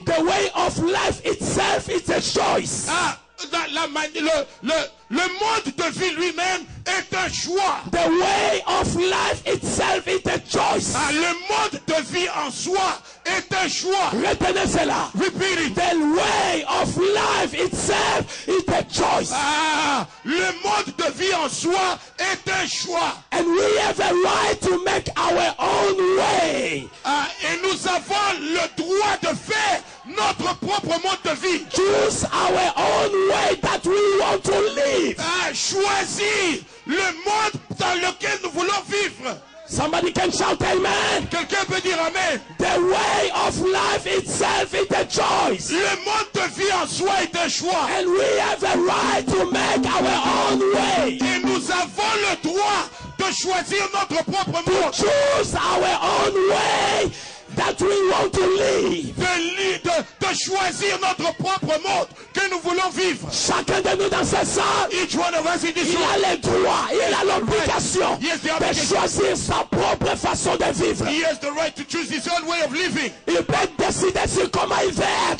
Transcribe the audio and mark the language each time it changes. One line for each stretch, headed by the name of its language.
English: The way of life itself is a choice.
French: Le mode de vie lui-même est un choix.
English: The way of life itself is a choice.
French: Le mode de vie en soi est un choix. Retenez cela.
English: Repeat it. The way of life itself is a choice.
French: Le mode de vie en soi est un choix.
English: And we have a right to make our own way.
French: Et nous avons le droit de faire notre propre mode de vie.
English: Choose our own way that we want to live.
French: Choisis le mode dans lequel nous voulons vivre.
English: Somebody can shout amen.
French: Quelqu'un peut dire amen.
English: The way of life itself is a choice.
French: Le mode de vie en soi est un choix.
English: And we have a right to make our own way.
French: Et nous avons le droit de choisir notre propre mode.
English: To choose our own way that we want to live.
French: De choisir notre propre mode que nous voulons vivre. Chacun de nous dans ce sens, il a le droit, il a l'obligation de choisir sa propre façon de vivre.
English: He has the right to choose his own way of living.
French: Il peut décider sur comment il veut être.